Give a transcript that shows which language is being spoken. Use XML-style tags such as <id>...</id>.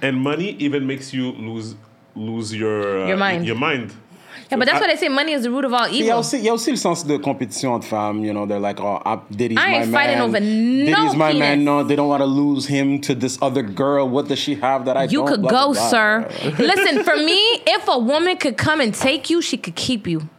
<en>And money even makes you lose your mind. Yeah, but that's what I say. Money is the root of all evil.</en> <fr>Y a aussi le sens de compétition entre femmes.</fr> <en>You know, they're like, oh, Diddy's my man. I ain't fighting over no penis. Diddy's my man. No, they don't want to lose him to this other girl. What does she have that I don't? You could go, sir. Listen, for me, if a woman could come and take you, she could keep you.</en>